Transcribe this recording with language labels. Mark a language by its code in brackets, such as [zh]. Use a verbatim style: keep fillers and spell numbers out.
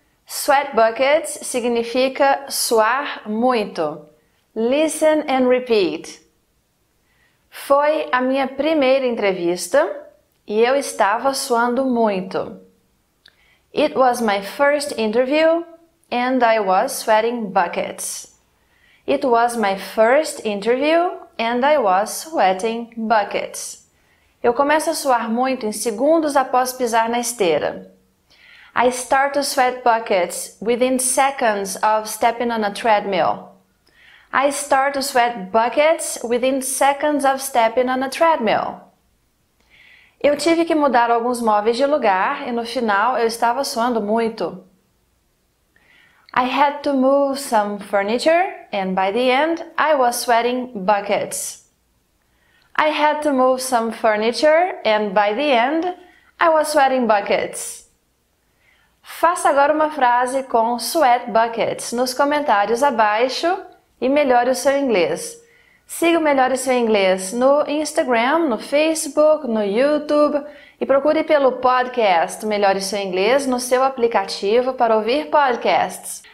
[pt] Sweat buckets significa suar muito. [en] Listen and repeat. [pt] Foi a minha primeira entrevista e eu estava suando muito. [en] It was my first interview and I was sweating buckets. It was my first interview and I was sweating buckets. [pt] Eu começo a suar muito em segundos após pisar na esteira. [en] I start to sweat buckets within seconds of stepping on a treadmill. I start to sweat buckets within seconds of stepping on a treadmill. [pt] Eu tive que mudar alguns móveis de lugar e no final eu estava suando muito. [en] I had to move some furniture and by the end I was sweating buckets. I had to move some furniture and by the end I was sweating buckets. [pt] Faça agora uma frase com sweat buckets nos comentários abaixo e melhore o seu inglês. Siga o Melhore Seu Inglês no Instagram, no Facebook, no YouTube e procure pelo podcast Melhore Seu Inglês no seu aplicativo para ouvir podcasts.